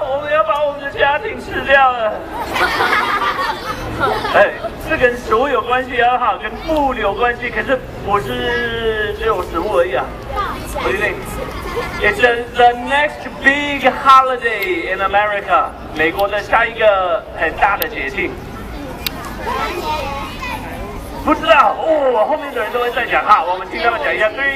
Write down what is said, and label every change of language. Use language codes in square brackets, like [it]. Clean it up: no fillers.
[zh] 我们要把我们的家庭吃掉了。哎，这跟食物有关系也好，跟布有关系，可是不是只有食物而已啊。 [en] What do you think? It's the next big holiday in America. [zh] 美国的下一个很大的节庆。不知道哦，后面的人都会在讲哈，我们听他们讲一下。